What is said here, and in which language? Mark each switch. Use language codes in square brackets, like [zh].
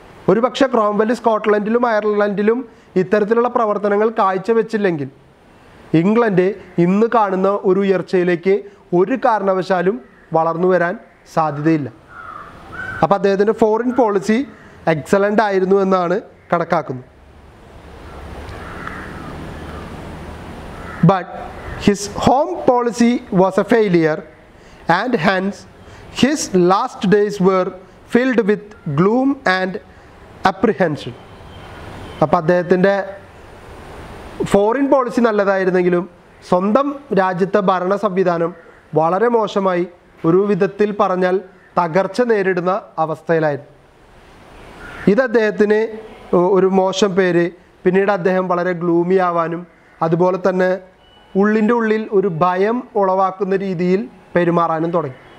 [ml] ഒരുപക്ഷെ ക്രോംവെൽ സ്കോട്ട്ലൻഡിലും അയർലൻഡിലും ഇത്തരത്തിലുള്ള പ്രവർത്തനങ്ങൾ കാഴ്ചവെച്ചില്ലെങ്കിൽ ഇംഗ്ലണ്ട് ഇന്ന് കാണുന്ന ഒരു ഉയർച്ചയിലേക്ക് ഒരു കാരണവശാലും വളർന്നു വരാൻ സാധ്യതയില്ല. അപ്പോൾ അദ്ദേഹത്തിൻ്റെ ഫോറിൻ പോളിസി എക്സലൻ്റ് ആയിരുന്നു എന്നാണ് കണക്കാക്കുന്നത്. [en] But his home policy was a failure and hence his last days were filled with gloom and apprehension. [ml] അപ്പോൾ അദ്ദേഹത്തിൻ്റെ ഫോറിൻ പോളിസി നല്ലതായിരുന്നെങ്കിലും സ്വന്തം രാജ്യത്തെ ഭരണ സംവിധാനം വളരെ മോശമായി, ഒരു വിധത്തിൽ പറഞ്ഞാൽ തകർച്ച നേരിടുന്ന അവസ്ഥയിലായിരുന്നു. ഇത് അദ്ദേഹത്തിന് ഒരു മോശം പേര്. പിന്നീട് അദ്ദേഹം വളരെ ഗ്ലൂമി ആവാനും അതുപോലെ തന്നെ ഉള്ളിൻ്റെ ഉള്ളിൽ ഒരു ഭയം ഉളവാക്കുന്ന രീതിയിൽ പെരുമാറാനും തുടങ്ങി.